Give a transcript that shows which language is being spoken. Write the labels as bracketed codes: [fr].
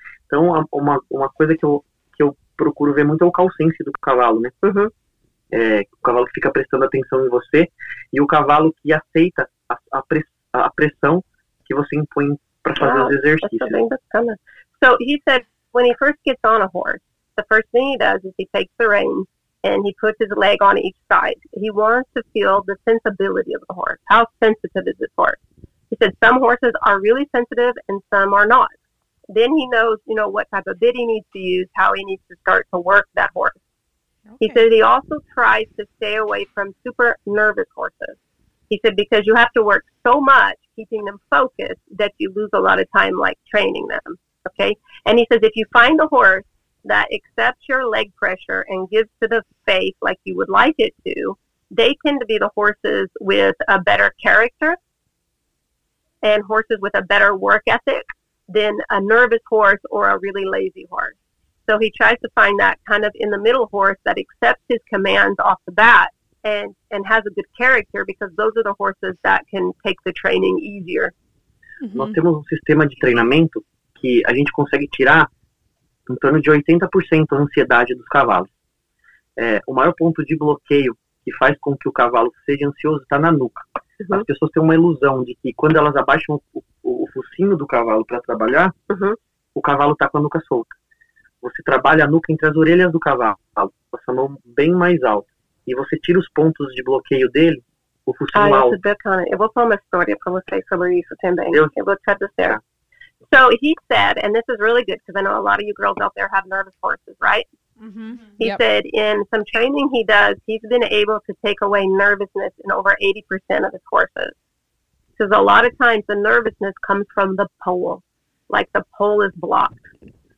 [pt] Então, uma coisa que eu procuro ver muito é o calcense do cavalo, né? O cavalo fica prestando atenção em você, e o cavalo que aceita a pressão que você impõe para fazer os exercícios. [en] So he said, when he first gets on a horse, the first thing he does is he takes the reins and he puts his leg on each side. He wants to feel the sensibility of the horse. How sensitive is this horse? He said some horses are really sensitive and some are not. Then he knows, you know, what type of bit he needs to use, how he needs to start to work that horse. Okay. He said he also tries to stay away from super nervous horses. He said because you have to work so much keeping them focused that you lose a lot of time, like, training them, okay? And he says if you find a horse that accepts your leg pressure and gives to the face like you would like it to, they tend to be the horses with a better character and horses with a better work ethic than a nervous horse or a really lazy horse. So he tries to find that kind of in the middle horse that accepts his commands off the bat and has a good character, because those are the horses that can take the training easier. Mm-hmm. [pt] Nós temos um sistema de treinamento que a gente consegue tirar em torno de 80% a ansiedade dos cavalos. O maior ponto de bloqueio que faz com que o cavalo seja ansioso está na nuca. Uhum. As pessoas têm uma ilusão de que quando elas abaixam o focinho do cavalo para trabalhar, o cavalo está com a nuca solta. Você trabalha a nuca entre as orelhas do cavalo, com a sua mão bem mais alta. E você tira os pontos de bloqueio dele, o focinho alto. Eu vou falar uma história para vocês sobre isso também. Eu vou te dizer. [en] So he said, and this is really good because I know a lot of you girls out there have nervous horses, right? Mm-hmm. He said in some training he does, he's been able to take away nervousness in over 80% of his horses. Because a lot of times the nervousness comes from the pole, like the pole is blocked. Okay.